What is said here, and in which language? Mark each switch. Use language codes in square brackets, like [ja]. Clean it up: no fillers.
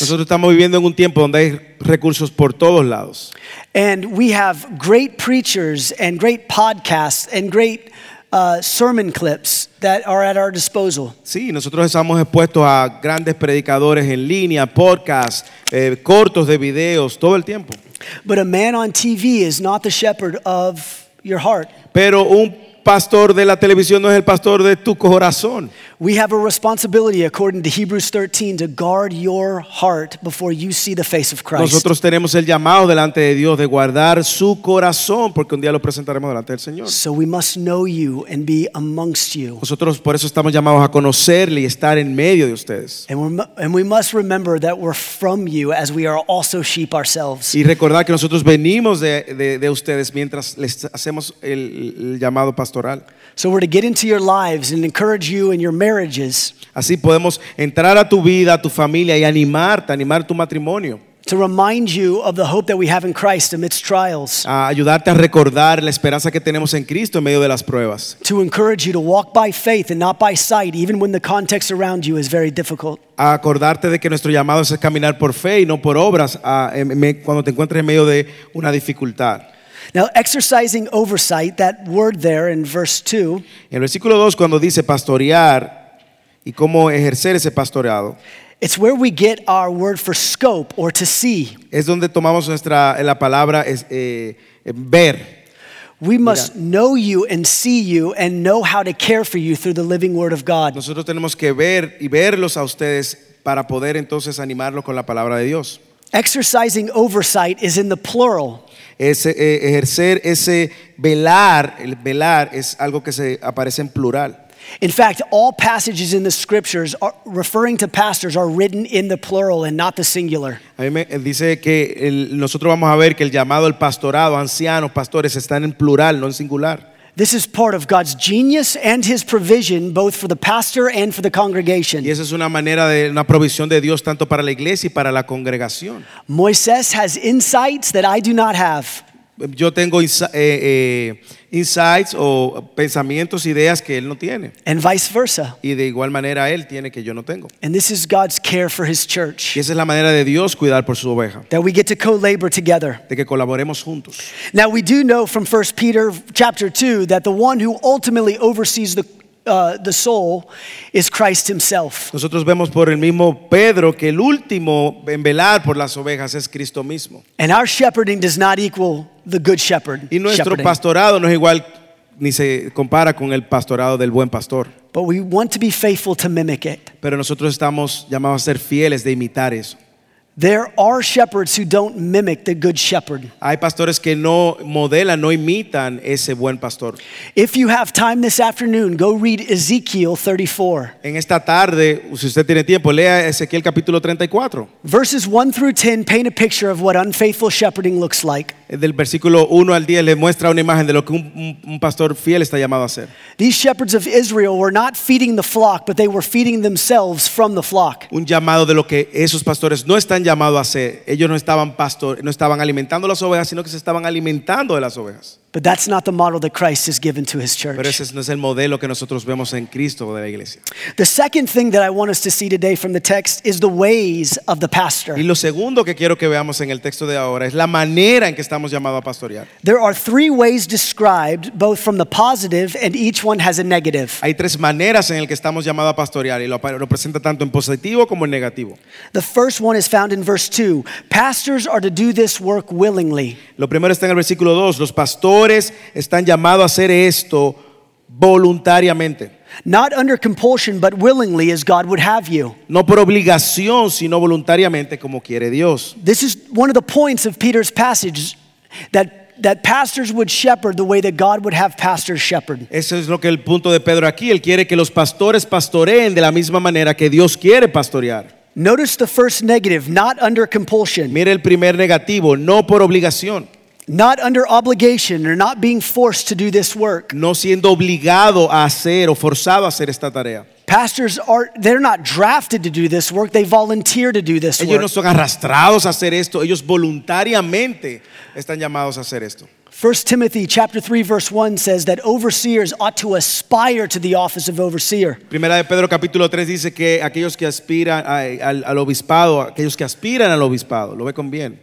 [es] Nosotros estamos viviendo en un tiempo donde hay recursos por todos lados. [en] And we have great preachers and great podcasts and great sermon clips that are at our disposal. [es] Sí, nosotros estamos expuestos a grandes predicadores en línea, podcasts, cortos de videos, todo el tiempo. [en] But a man on TV is not the shepherd of your heart. [es] Pero un pastor de la televisión no es el pastor de tu corazón. [en] We have a responsibility according to Hebrews 13 to guard your heart before you see the face of Christ. [es] Nosotros tenemos el llamado delante de Dios de guardar su corazón porque un día lo presentaremos delante del Señor. [en] So we must know you and be amongst you. [es] Nosotros por eso estamos llamados a conocerle y estar en medio de ustedes. [en] And we must remember that we're from you as we are also sheep ourselves. [es] Y recordar que nosotros venimos de ustedes mientras les hacemos el llamado pastoral. [en] So we're to get into your lives and encourage you and your marriages. [es] Así podemos entrar a tu vida, a tu familia y animar tu matrimonio. [en] To remind you of the hope that we have in Christ amidst trials. [es] A ayudarte a recordar la esperanza que tenemos en Cristo en medio de las pruebas. [en] To encourage you to walk by faith and not by sight, even when the context around you is very difficult. [es] A acordarte de que nuestro llamado es caminar por fe y no por obras cuando te encuentres en medio de una dificultad. [en] Now exercising oversight, that word there in verse 2. [es] En el versículo 2 cuando dice pastorear y cómo ejercer ese pastoreado. [en] It's where we get our word for scope or to see. [es] Es donde tomamos nuestra la palabra es ver. [en] We must know you and see you and know how to care for you through the living word of God. [es] Nosotros tenemos que ver y verlos a ustedes para poder entonces animarlos con la palabra de Dios. [en] Exercising oversight is in the plural. [es] Ejercer ese velar, el velar es algo que se aparece en plural. [en] In fact, all passages in the scriptures are referring to pastors are written in the plural and not the singular. [es] A mí me dice que nosotros vamos a ver que el llamado al pastorado, ancianos, pastores, están en plural, no en singular. [en] This is part of God's genius and His provision, both for the pastor and for the congregation. [es] Y esa es una manera de una provisión de Dios tanto para la iglesia y para la congregación. [en] Moisés has insights that I do not have. [es] Yo tengo insights o pensamientos, ideas que él no tiene. [en] And vice versa. [es] Y de igual manera él tiene que yo no tengo. [en] And this is God's care for his church. [es] Y esa es la manera de Dios cuidar por su oveja. [en] That we get to co-labor together. [es] De que colaboremos juntos. [en] Now we do know from 1 Peter chapter 2 that the one who ultimately oversees the soul is Christ himself. [es] Nosotros vemos por el mismo Pedro que el último en velar por las ovejas es Cristo mismo. [en] And our shepherding does not equal the good shepherd. [es] Y nuestro pastorado no es igual ni se compara con el pastorado del buen pastor. [en] But we want to be faithful to mimic it. [es] Pero nosotros estamos llamados a ser fieles de imitar eso. [en] There are shepherds who don't mimic the good shepherd. [es] Hay pastores que no modelan, no imitan ese buen pastor. [en] If you have time this afternoon, go read Ezekiel 34. [es] En esta tarde, si usted tiene tiempo, lea Ezequiel capítulo 34. [en] Verses 1 through 10 paint a picture of what unfaithful shepherding looks like. [es] Del versículo 1 al 10 le muestra una imagen de lo que un pastor fiel está llamado a hacer. [en] These shepherds of Israel were not feeding the flock, but they were feeding themselves from the flock. [es] Un llamado de lo que esos pastores no están llamados a hacer. Ellos no estaban pastor, no estaban alimentando las ovejas, sino que se estaban alimentando de las ovejas. [en] But that's not the model that Christ has given to his church. [es] Pero ese no es el modelo que nosotros vemos en Cristo de la iglesia. [en] The second thing that I want us to see today from the text is the ways of the pastor. [es] Y lo segundo que quiero que veamos en el texto de ahora es la manera en que estamos llamados a pastorear. [en] There are three ways described, both from the positive and each one has a negative. [es] Hay tres maneras en el que estamos llamados a pastorear y lo presenta tanto en positivo como en negativo. [en] The first one is found in verse 2. Pastors are to do this work willingly. [es] Lo primero está en el versículo 2. Los pastores están llamados a hacer esto voluntariamente. [en] Not under compulsion, but willingly, as God would have you. [es] No por obligación, sino voluntariamente, como quiere Dios. [en] This is one of the points of Peter's passage that pastors would shepherd the way that God would have pastors shepherd. [es] Eso es lo que el punto de Pedro aquí. Él quiere que los pastores pastoreen de la misma manera que Dios quiere pastorear. [en] Notice the first negative, not under compulsion. [es] Mire el primer negativo, no por obligación. [en] Not under obligation or not being forced to do this work. [es] No siendo obligado a hacer o forzado a hacer esta tarea. [en] Pastors they're not drafted to do this work, they volunteer to do this work. [es] Ellos no son arrastrados a hacer esto, ellos voluntariamente están llamados a hacer esto. [en] 1 Timothy chapter 3 verse 1 says that overseers ought to aspire to the office of overseer. [es] Primera de Pedro capítulo 3 dice que aquellos que aspiran al obispado, aquellos que aspiran al obispado, lo ve con bien.